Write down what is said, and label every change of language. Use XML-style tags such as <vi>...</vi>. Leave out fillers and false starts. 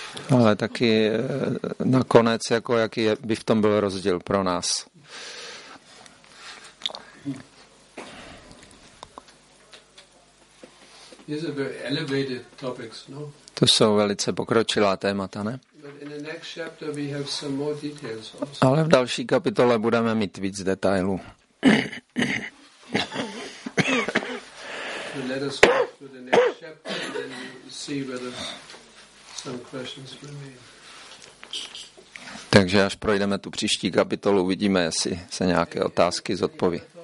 <cs>Ale taky nakonec, jako jaký by v tom byl rozdíl pro nás.</cs> <en>These are very elevated topics, no?</en> <cs>To jsou velice pokročilá témata, ne?</cs> <en>But in the next chapter we have some more details also.</en> <cs>Ale v další kapitole budeme mít víc detailů.</cs> <en>Let us go to the next chapter and then we'll see whether some questions remain.</en> <cs>Takže až projdeme tu příští kapitolu, uvidíme, jestli se nějaké otázky zodpoví.</cs>